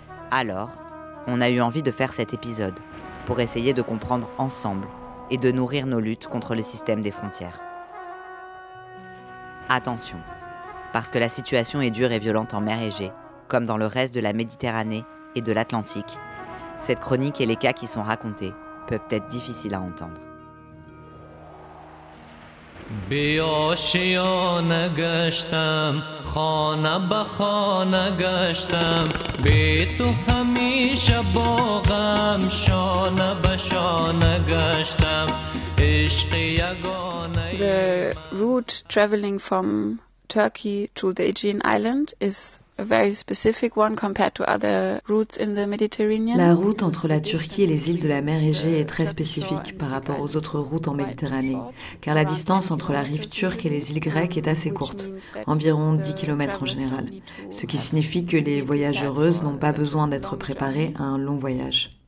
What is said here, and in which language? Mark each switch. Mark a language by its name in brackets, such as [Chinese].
[French] Alors, on a eu envie de faire cet épisode pour essayer de comprendre ensemble et de nourrir nos luttes contre le système des frontières. Attention, parce que la situation est dure et violente en mer Égée, comme dans le reste de la Méditerranée et de l'Atlantique, cette chronique et les cas qui sont racontés peuvent être difficiles à entendre. [Persian] بیاشیانه گشتم خانه به خانه گشتم بی تو همیشه باغم شانه به شانه گشتم عشق یگانه [English] The route traveling from Turkey to the Aegean island is a very specific one compared to other routes in the Mediterranean. [French] La route entre la Turquie et les îles de la mer Égée est très spécifique par rapport aux autres routes en Méditerranée, car la distance entre la rive turque et les îles grecques est assez courte, environ 10 km en général, ce qui signifie que les voyageuses n'ont pas besoin d'être préparées à un long voyage.